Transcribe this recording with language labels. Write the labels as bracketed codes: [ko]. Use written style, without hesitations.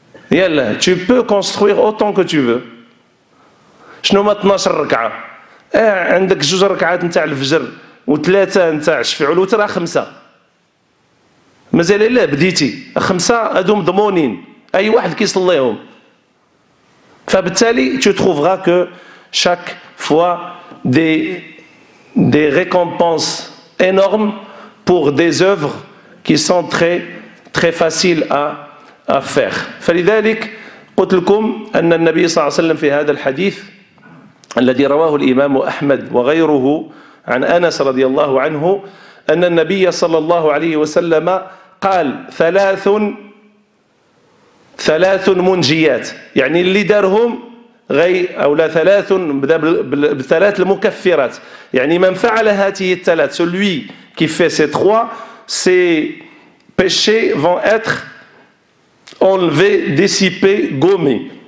[fr] Yalla, tu peux construire autant que tu veux. [ar] شنو ما 12 ركعة؟ عندك جوج ركعات نتاع الفجر وثلاثة نتاع الشفيع والوتر خمسة. مازال إلا بديتي خمسة هادو مضمونين أي واحد كيصليهم. فبالتالي [fr] tu trouveras que chaque fois des récompenses énormes pour des œuvres qui sont très très faciles à faire. [ar] فلذلك قلت لكم أن النبي صلى الله عليه وسلم في هذا الحديث الذي رواه الإمام أحمد وغيره عن أنس رضي الله عنه أن النبي صلى الله عليه وسلم قال ثلاث منجيات, يعني اللي دارهم غي أو لا, ثلاث بثلاث المكفرات, يعني من فعل هاته الثلاث, [fr] celui qui fait ces trois, ses péchés vont être enlevés, dissipés, gommés.